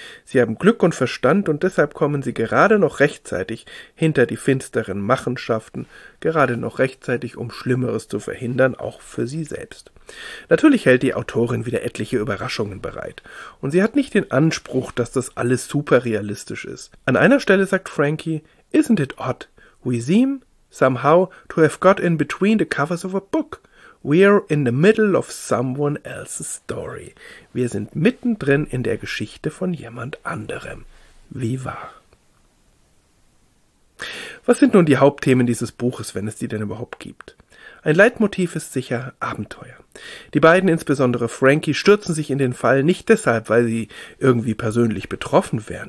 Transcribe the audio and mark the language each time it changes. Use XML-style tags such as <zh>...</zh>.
<de>Sie haben Glück und Verstand und deshalb kommen sie gerade noch rechtzeitig hinter die finsteren Machenschaften, gerade noch rechtzeitig, um Schlimmeres zu verhindern, auch für sie selbst. Natürlich hält die Autorin wieder etliche Überraschungen bereit. Und sie hat nicht den Anspruch, dass das alles super realistisch ist. An einer Stelle sagt Frankie,</de> <en>"Isn't it odd? We seem, somehow, to have got in between the covers of a book. We're in the middle of someone else's story."</en> <de>Wir sind mittendrin in der Geschichte von jemand anderem. Wie wahr. Was sind nun die Hauptthemen dieses Buches, wenn es die denn überhaupt gibt? Ein Leitmotiv ist sicher Abenteuer. Die beiden, insbesondere Frankie, stürzen sich in den Fall nicht deshalb, weil sie irgendwie persönlich betroffen wären.</de>